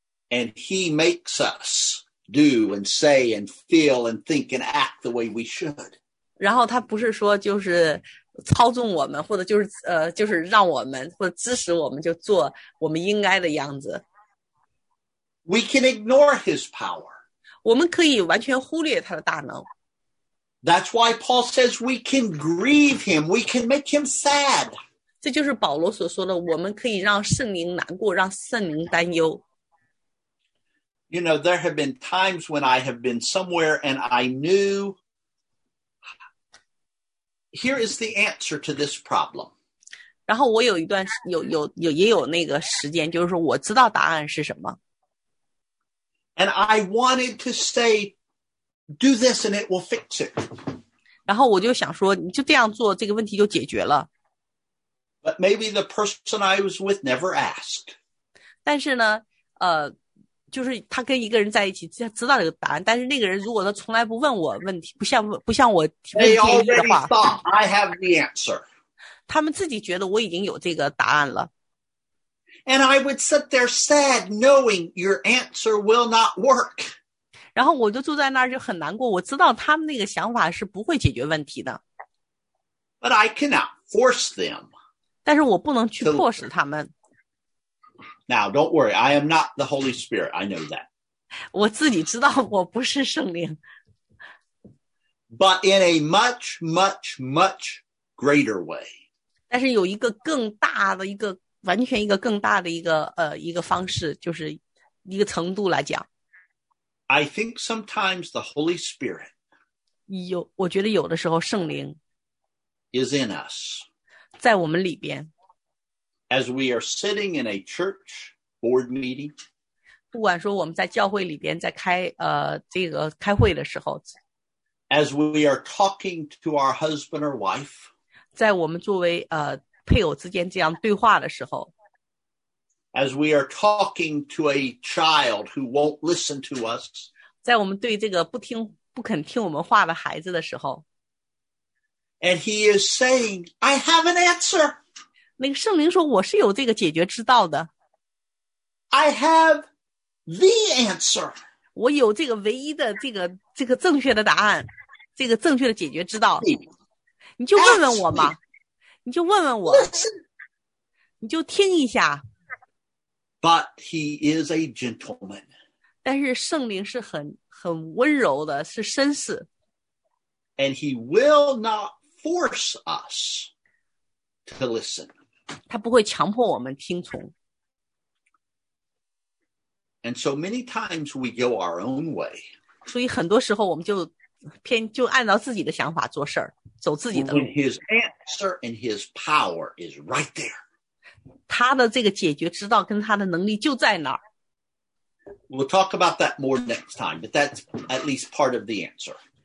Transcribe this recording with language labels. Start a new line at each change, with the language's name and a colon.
English: And he makes us do and say and feel and think and act the way we should.
Chinese: 然后他不是说就是操纵我们或者就是让我们或者支持我们就做我们应该的样子。
English: We can ignore his power.
Chinese: 我们可以完全忽略他的大能。
English: That's why Paul says we can grieve him, we can make him sad.
Chinese: 这就是保罗所说的我们可以让圣灵难过让圣灵担忧。
English: You know, there have been times when I have been somewhere and I knew, here is the answer to this problem.
Chinese: 然后我有一段也有那个时间就是说我知道答案是什么。
English: And I wanted to say, do this and it will fix it.
Chinese: 然后我就想说你就这样做这个问题就解决了。
English: But maybe the person I was with never asked.
Chinese: 但是呢就是他跟一个人在一起知道这个答案但是那个人如果他从来不问我问题不像我提问建议的话
English: They already thought I have the answer.
Chinese: 他们自己觉得我已经有这个答案了。
English: And I would sit there sad, knowing your answer will not work.
Chinese: 然后我就坐在那儿就很难过，我知道他们那个想法是不会解决问题的。
English: But I cannot force them.
Chinese: 但是我不能去迫使他们。
English: Now, don't worry, I am not the Holy Spirit, I know that.
Chinese: 我自己知道我不是圣灵。
English: But in a much, much, much greater way.
Chinese: 但是有一个更大的一个完全一个更大的一个方式就是一个程度来讲
English: I think sometimes the Holy Spirit
Chinese: 我觉得有的时候圣灵
English: is in us
Chinese: 在我们里边
English: as we are sitting in a church board meeting
Chinese: 不管说我们在教会里边在开这个开会的时候
English: as we are talking to our husband or wife
Chinese: 在我们作为配偶之间这样对话的时候
English: As we are talking to a child who won't listen to us
Chinese: 在我们对这个不肯听我们话的孩子的时候
English: And he is saying, I have an answer
Chinese: 那个圣灵说我是有这个解决之道的
English: I have the answer
Chinese: 我有这个唯一的这个正确的答案这个正确的解决之道 你就问问我嘛你就问问我
English: Listen,
Chinese: 你就听一下
English: But he is a gentleman
Chinese: 但是圣灵是很温柔的是绅士
English: And he will not force us to listen
Chinese: 他不会强迫我们听从
English: And so many times we go our own way
Chinese: 所以很多时候我们就按照自己的想法做事儿走自己的路。
English: When his answer and his power is right there.
Chinese: 他的这个解决之道跟他的能力就在那儿。
English: We'll talk about that more next time, but that's at least part of the answer.